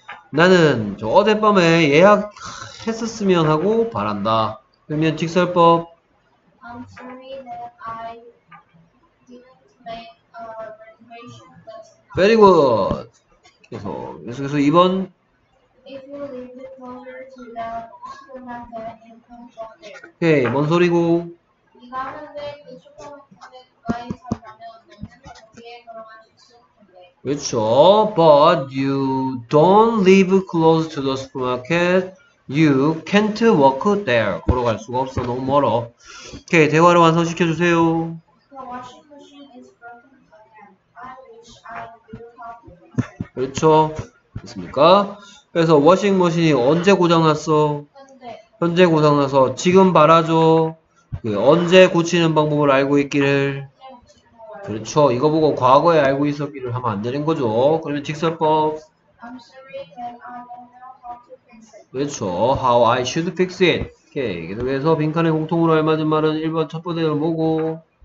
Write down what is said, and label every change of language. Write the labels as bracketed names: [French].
[Korean] 나는 저 어젯밤에 예약했었으면 하고 바란다. 그러면 직설법 [English] I'm sorry that I didn't make a reservation last night. Very good. [Korean] 계속 2번. [English] If you leave the closer to the supermarket and come from there. [Korean] 뭔 소리고? 네가 하는데 그 슈퍼마켓 가까이 가면 너는 어디에 걸어갈 수 있을 텐데. 그렇죠. [English] But you don't live close to the supermarket. You can't walk there. [Korean] 걸어갈 수가 없어. 너무 멀어. 오케이. 대화를 완성시켜주세요. [English] The washing machine is broken again. I wish I knew how to fix it. [Korean] 그렇죠. 됐습니까? 그래서 워싱 머신이 언제 고장났어? 현재 고장나서 지금 바라죠. 그 언제 고치는 방법을 알고 있기를. 그렇죠. 이거 보고 과거에 알고 있었기를 하면 안 되는 거죠. 그러면 직설법. [English] I'm sorry that I don't know how to fix it. [Korean] 그렇죠. [English] How I should fix it. 오케이. [Korean] 계속해서 빈칸에 공통으로 알맞은 말은 1번 첫 번째로 뭐고?